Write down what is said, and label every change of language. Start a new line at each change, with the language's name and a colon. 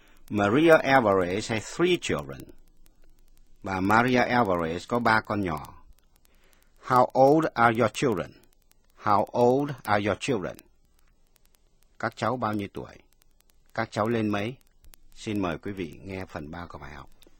English: Maria Alvarez has three children.
Vietnamese: Và Maria Alvarez có ba con nhỏ.
English: How old are your children? How old are your children?
Vietnamese: Các cháu bao nhiêu tuổi? Các cháu lên mấy? Xin mời quý vị nghe phần 3 của bài học.